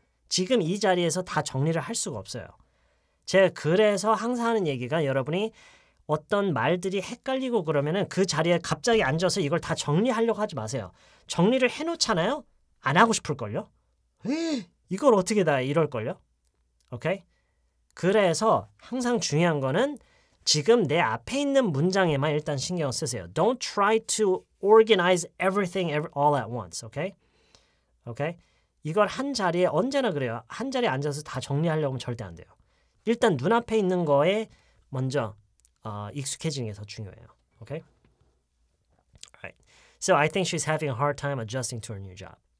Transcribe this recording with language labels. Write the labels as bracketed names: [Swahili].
[Korean] 지금 이 자리에서 다 정리를 할 수가 없어요. 제가 그래서 항상 하는 얘기가 여러분이 어떤 말들이 헷갈리고 그러면은 그 자리에 갑자기 앉아서 이걸 다 정리하려고 하지 마세요. 정리를 해놓잖아요. 안 하고 싶을걸요? 이걸 어떻게 다 이럴걸요? 오케이? 그래서 항상 중요한 거는 지금 내 앞에 있는 문장에만 일단 신경 쓰세요. [English] Don't try to organize everything all at once. [Korean] 오케이? 오케이? 이걸 한 자리에 언제나 그래요. 한 자리에 앉아서 다 정리하려고 하면 절대 안 돼요. 일단 눈앞에 있는 거에 먼저 익숙해지는 게 더 중요해요. [English] 오케이? Alright. So I think she's having a hard time adjusting to her new job.